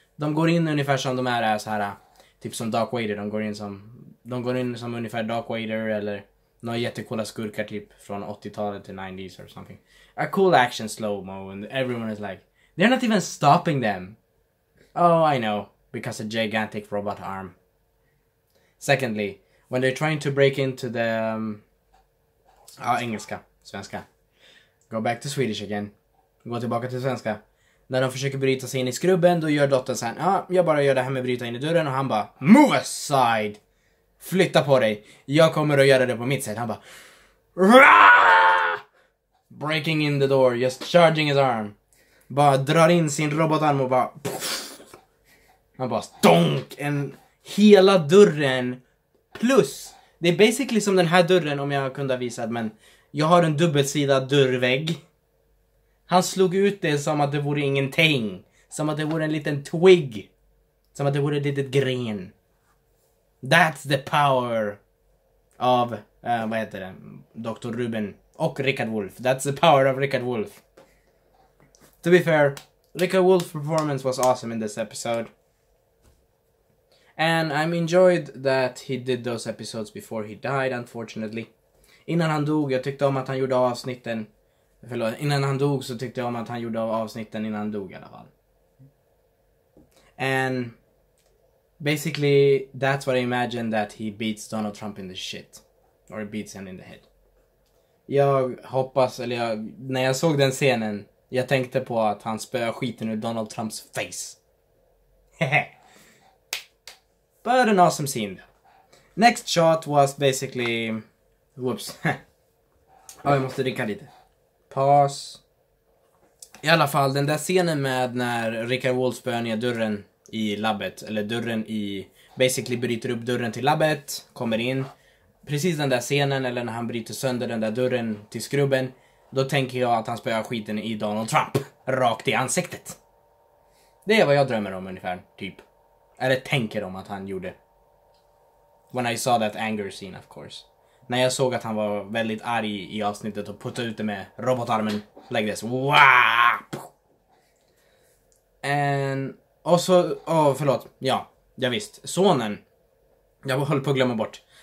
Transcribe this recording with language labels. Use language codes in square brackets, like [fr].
[sv] De går in ungefär som de är så här. Typ som Dark Vader. De går in som ungefär Dark Vader. Eller några jättekola skurkar typ. Från 80-talet till [en] 90s or something. A cool action slow-mo. And everyone is like. They're not even stopping them. Oh, I know. Because a gigantic robot arm. Secondly. When they're trying to break into the. [sv] Engelska. Svenska. [en] Go back to Swedish again. [sv] Gå tillbaka till svenska. När de försöker bryta sig in i skrubben, då gör dottern såhär, ja, jag bara gör det här med bryta in i dörren. Och han bara, [en] move aside. [sv] Flytta på dig. Jag kommer att göra det på mitt sätt. Han bara, rah! [en] Breaking in the door, just charging his arm. [sv] Bara drar in sin robotarm och bara, puff. Han bara, stonk. En hela dörren. Plus, det är basically som den här dörren, om jag kunde ha visat, men jag har en dubbelsida dörrvägg. Han slog ut det som att det vore ingenting. Som att det vore en liten twig. Som att det vore ett litet gren. [en] That's the power of, [sv] vad heter det? [en] Dr. [sv] Ruben och Rickard Wolf. [en] That's the power of Rickard Wolf. To be fair, Rickard Wolf's performance was awesome in this episode. And I enjoyed that he did those episodes before he died, unfortunately. [sv] Innan han dog, jag tyckte om att han gjorde avsnitten. Förlåt, innan han dog så tyckte jag om att han gjorde avsnitten innan han dog i alla fall. [en] And basically that's what I imagine that he beats Donald Trump in the shit. Or beats him in the head. [sv] Jag hoppas, eller jag, när jag såg den scenen, jag tänkte på att han spöar skiten ur Donald Trumps face. [en] But an awesome scene. Next shot was basically, whoops. [sv] Oh, jag måste dricka lite. Pause. I alla fall, den där scenen med när Rickard Wolf spöar ner dörren i labbet. Eller dörren i, basically bryter upp dörren till labbet. Kommer in. Precis den där scenen, eller när han bryter sönder den där dörren till skrubben. Då tänker jag att han spöar skiten i Donald Trump. Rakt i ansiktet. Det är vad jag drömmer om ungefär, typ. Eller tänker om att han gjorde. [en] When I saw that anger scene, of course. [sv] När jag såg att han var väldigt arg i avsnittet och puttade ut det med robotarmen. [en] Like this. Wow! [sv] And, och så, oh, förlåt. Ja, jag visst. Sonen. Jag höll på att glömma bort.